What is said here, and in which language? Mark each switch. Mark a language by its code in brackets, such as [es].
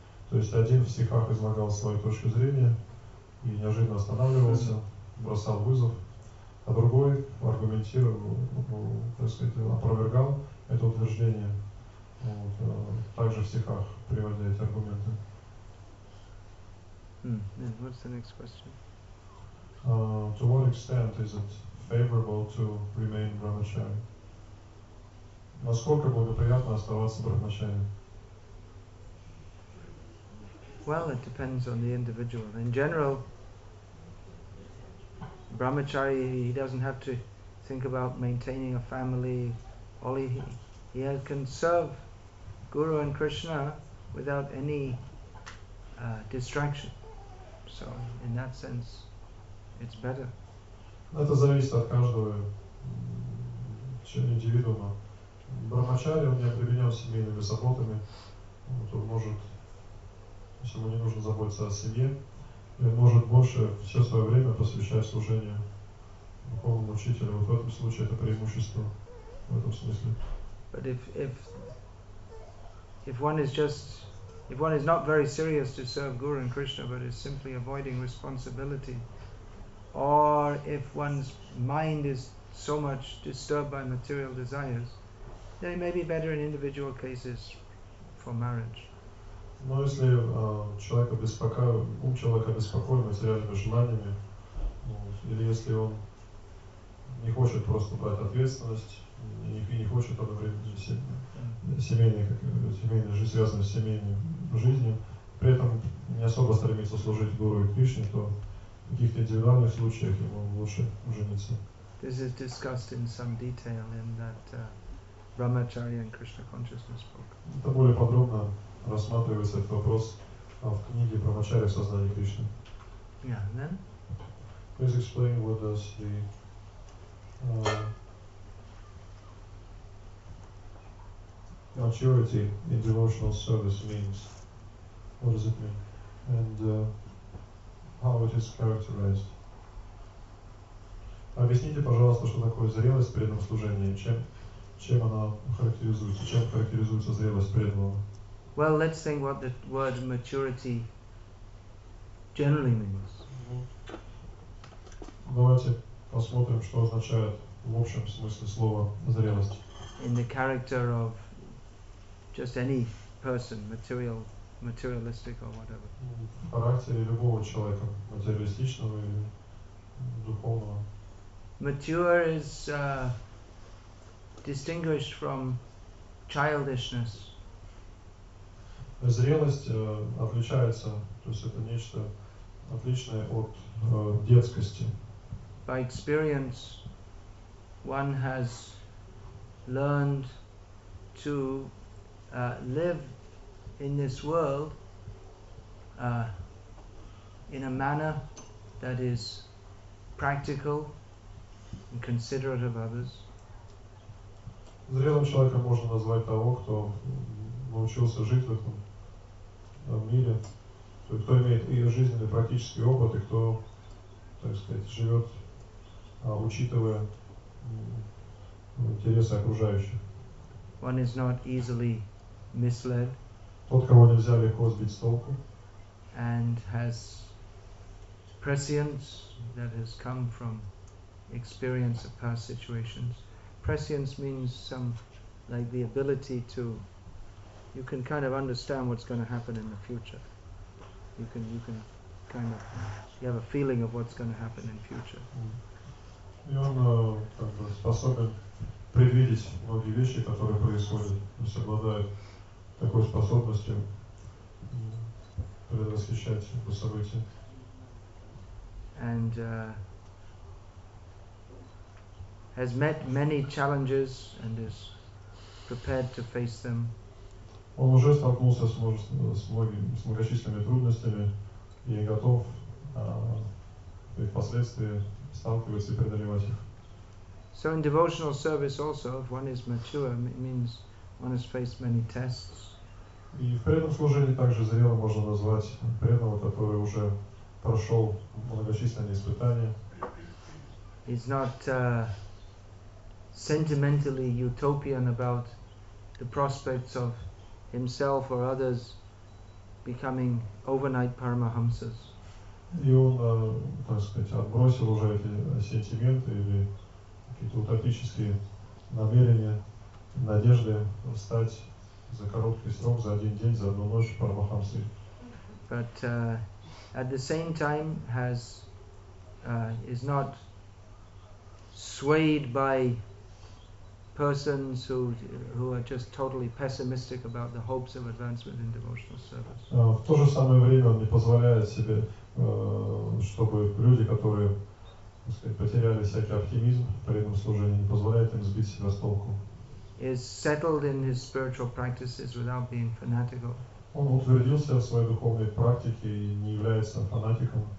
[ru] То есть один в стихах излагал свою точку зрения и неожиданно останавливался, бросал вызов, а другой аргументировал, так сказать, опровергал это утверждение, вот, также в стихах приводя эти аргументы. [en] What's the next question? To what extent is it favorable to remain brahmachari? [ru] Насколько благоприятно оставаться брахмачари? [en] Well, it depends on the individual. In general, brahmachari, he doesn't have to think about maintaining a family. All he can serve Guru and Krishna without any distraction. So, in that sense, it's better. [ru] Это зависит от каждого индивидуума. Брахмачари, он не обременен семейными заботами. Вот он может, если ему не нужно заботиться о семье, он может больше все свое время посвящать служению духовному учителю. Вот в этом случае это преимущество в этом смысле. [en] But if one is not very serious to serve Guru and Krishna, but is simply avoiding responsibility, or if one's mind is so much disturbed by material desires, then it may be better in individual cases for marriage. [ru] Но если ум человека беспокоен материальными желаниями, или если он не хочет просто брать ответственность и не хочет одновременно связанной с семейной жизнью, при этом не особо стремится служить Гуру и Кришне, то в каких-то индивидуальных случаях ему лучше жениться. [en] This is discussed in some detail in that Brahmacharya and Krishna Consciousness book. [ru] Это более подробно рассматривается этот вопрос в книге Брахмачарья в сознании Кришны. [en] Yeah, and then? Please explain what does the maturity in devotional service means. What does it mean? And how it is characterized. [ru] Объясните, пожалуйста, что такое зрелость в преданном служении, чем она характеризуется, чем характеризуется зрелость преданного. [en] Well, let's think what the word maturity generally means. [ru] Давайте посмотрим, что означает в общем смысле слова зрелость. [en] In the character of just any person, materialistic or whatever. [ru] В характере любого человека, материалистичного или духовного. [en] Mature is distinguished from childishness. [ru] Зрелость отличается, то есть это нечто отличное от детскости. [en] By experience, one has learned to live in this world in a manner that is practical and considerate of others. [ru] Зрелым человеком можно назвать того, кто научился жить в этом мире, то есть кто имеет и жизненный, и практический опыт, и кто, так сказать, живет, учитывая интересы окружающих. [en] One is not easily misled. [ru] Тот, кого нельзя легко сбить с толку. [en] And has prescience that has come from experience of past situations. Prescience means some, like the ability to, you can kind of understand what's going to happen in the future. You can kind of, you have a feeling of what's going to happen in future. [ru] И он как бы способен предвидеть многие вещи, которые происходят. То есть обладает такой способностью предвосхищать эти события. [en] And has met many challenges and is prepared to face them. [ru] Он уже столкнулся с многочисленными трудностями и готов и впоследствии сталкиваться и преодолевать их. [en] So in devotional service also, if one is mature, it means one has faced many tests. [ru] И в преданном служении также зрело можно назвать преданного, который уже прошел многочисленные испытания. [en] He's not sentimentally utopian about the prospects of himself or others becoming overnight paramahamsas. [ru] И он, так сказать, отбросил уже эти сентименты или какие-то утопические намерения, надежды стать за короткий срок, за один день, за одну ночь парамахамсой. [en] But at the same time has is not swayed by persons who are just totally pessimistic about the hopes of advancement in devotional service. [ru] В то же самое время он не позволяет себе, чтобы люди, которые, так сказать, потеряли всякий оптимизм в преданном служении, не позволяет им сбить себя с толку. [en] Is settled in his spiritual practices without being fanatical. [ru] Он утвердился в своей духовной практике и не является фанатиком.